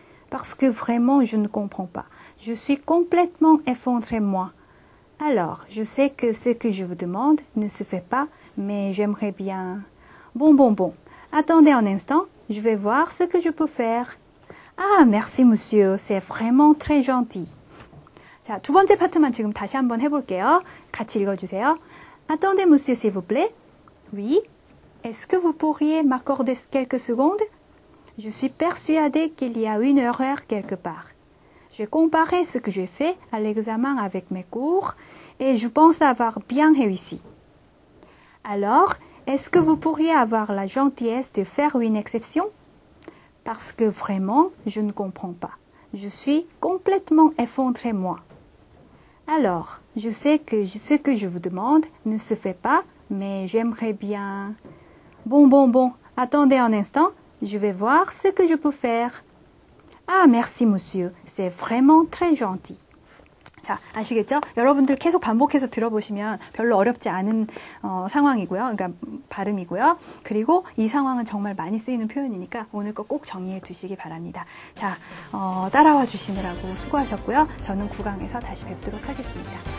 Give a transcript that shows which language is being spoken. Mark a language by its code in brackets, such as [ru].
[fr] Parce que vraiment, je ne comprends pas. Je suis complètement effondrée, moi. Alors, je sais que ce que je vous demande ne se fait pas, mais j'aimerais bien. Bon, bon, bon. Attendez un instant, je vais voir ce que je peux faire. Ah, merci, monsieur, c'est vraiment très gentil. [ko] 자, 두 번째 파트만 지금 다시 한번 해볼게요. 같이 읽어주세요. [fr] Attendez, monsieur, s'il vous plaît. Oui. Est-ce que vous pourriez m'accorder quelques secondes? Je suis persuadée qu'il y a une erreur quelque part. J'ai comparé ce que j'ai fait à l'examen avec mes cours et je pense avoir bien réussi. Alors, est-ce que vous pourriez avoir la gentillesse de faire une exception? Parce que vraiment, je ne comprends pas. Je suis complètement effondrée, moi. Alors, je sais que ce que je vous demande ne se fait pas, mais j'aimerais bien... Bon, attendez un instant, je vais voir ce que je peux faire. Ah, merci, monsieur. C'est vraiment très gentil. [ko] 자, 아시겠죠? 여러분들 계속 반복해서 들어보시면 별로 어렵지 않은 상황이고요. 그러니까 발음이고요. 그리고 이 상황은 정말 많이 쓰이는 표현이니까 오늘 거 꼭 정리해 두시기 바랍니다. 자, 따라와 주시느라고 수고하셨고요. 저는 9강에서 다시 뵙도록 하겠습니다.